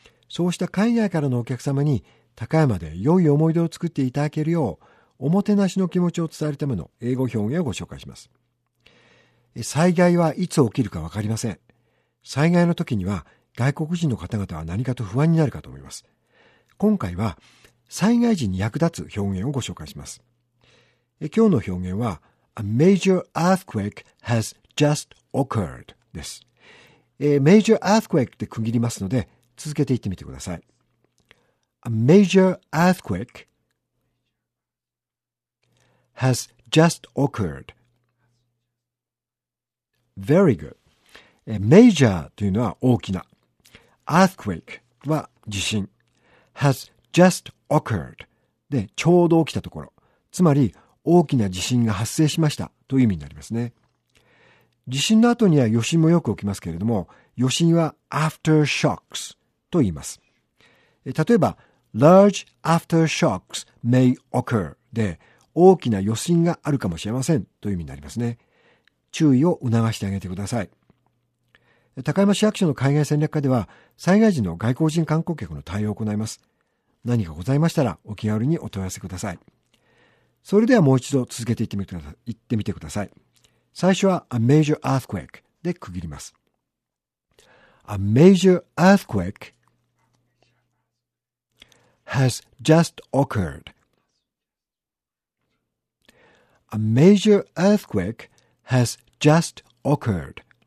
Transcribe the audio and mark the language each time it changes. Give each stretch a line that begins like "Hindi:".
Japanese: そうした海外からのお客様に高山で良い思い出を作っていただけるよう、おもてなしの気持ちを伝えるための英語表現をご紹介します。災害はいつ起きるかわかりません。災害の時には外国人の方々は何かと不安になるかと思います。今回は災害時に役立つ表現をご紹介します。今日の表現は
English: A major earthquake has just occurred
Japanese: です。
English: Major earthquake
Japanese: で区切りますので続けて言ってみてください。
English: A major earthquake has just occurred. Very good.
Japanese: Major というのは大きな、 earthquake は地震、
English: has just occurred
Japanese: でちょうど起きたところ、つまり大きな地震が発生しましたという意味になりますね。地震の後には余震もよく起きますけれども、余震は aftershocks と言います。例えば
English: large aftershocks may occur
Japanese: で大きな余震があるかもしれませんという意味になりますね。注意を促してあげてください。高山市役所の海外戦略課では災害時の外国人観光客の対応を行います。何かございましたらお気軽にお問い合わせください。それではもう一度続けて言ってみてください。最初は
English: A major earthquake
Japanese: で区切ります。
English: A major earthquake has just occurred. A major earthquake has just occurred.